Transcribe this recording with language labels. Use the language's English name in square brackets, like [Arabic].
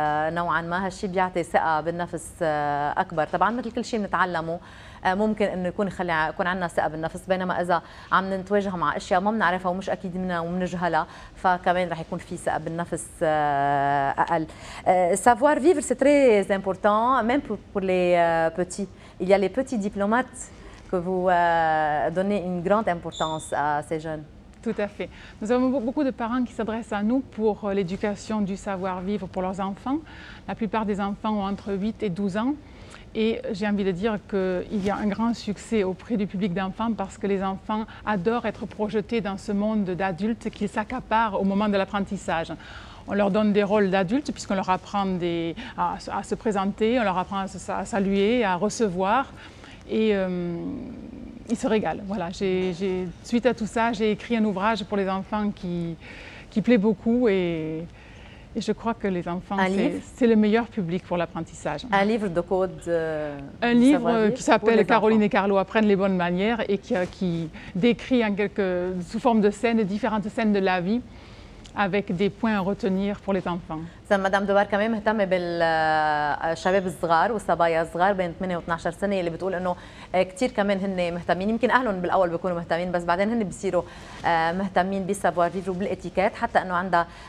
[Arabic] نوعا ما هالشي بيعطي ثقة بالنفس أكبر طبعا مثل كل شيء بنتعلمه ممكن أنه يكون عندنا ثقة بالنفس بينما إذا عم نتواجه مع أشياء ما بنعرفها ومش أكيد منها ومنجهلها فكمان رح يكون في ثقة بالنفس أقل [French] savoir vivre c'est très important même pour les petits il y a les petits diplomates que vous donnez une grande importance à ces jeunes. Tout à fait. Nous avons beaucoup de parents qui s'adressent à nous pour l'éducation du savoir-vivre pour leurs enfants. La plupart des enfants ont entre 8 et 12 ans. Et j'ai envie de dire qu'il y a un grand succès auprès du public d'enfants parce que les enfants adorent être projetés dans ce monde d'adultes qu'ils s'accaparent au moment de l'apprentissage. On leur donne des rôles d'adultes puisqu'on leur apprend à se présenter, on leur apprend à saluer, à recevoir. Et ils se régalent. Voilà, suite à tout ça, j'ai écrit un ouvrage pour les enfants qui plaît beaucoup et je crois que les enfants, c'est le meilleur public pour l'apprentissage. Un livre de code Un livre qui s'appelle « Caroline et Carlo apprennent les bonnes manières » et qui décrit sous forme de scènes, différentes scènes de la vie. Avec des points à retenir pour les enfants. C'est Madame Dubar quand même mettait [Arabic] بالشباب الصغار والصبايا الصغار بين 8 و 12 سنه اللي بتقول انه كثير كمان هن مهتمين يمكن اهلهم بالاول بيكونوا مهتمين بس بعدين هن بيصيروا مهتمين بالسافوار فيفر وبالاتيكيت حتى انه عندها